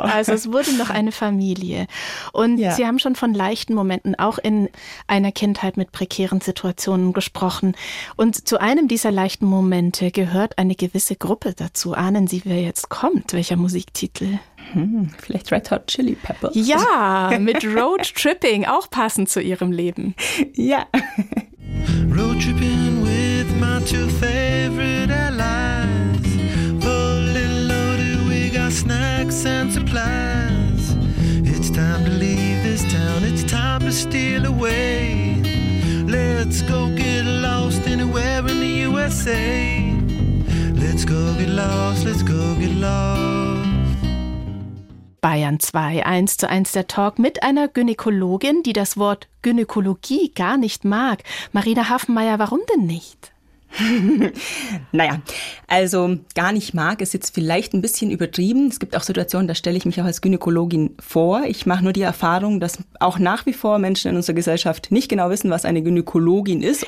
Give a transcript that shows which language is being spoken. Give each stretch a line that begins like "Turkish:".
German: Also es wurde noch eine Familie. Und ja. Sie haben schon von leichten Momenten auch in einer Kindheit mit prekären Situationen gesprochen. Und zu einem dieser leichten Momente gehört eine gewisse Gruppe dazu. Ahnen Sie, wer jetzt kommt? Welcher Musiktitel? Vielleicht Red Hot Chili Peppers. Ja, mit Road Tripping, auch passend zu Ihrem Leben. Ja.
English: Road Tripping with my 2 favorite allies. Full and loaded, we got snacks and supplies. It's time to leave this town, it's time to steal away. Let's go get lost anywhere in the USA. Let's go get lost, let's go get lost.
German: Bayern 2, 1:1 der Talk mit einer Gynäkologin, die das Wort Gynäkologie gar nicht mag. Marina Haffenmeier, warum denn nicht? Naja, also gar nicht mag ist jetzt vielleicht ein bisschen übertrieben. Es gibt auch Situationen, da stelle ich mich auch als Gynäkologin vor. Ich mache nur die Erfahrung, dass auch nach wie vor Menschen in unserer Gesellschaft nicht genau wissen, was eine Gynäkologin ist.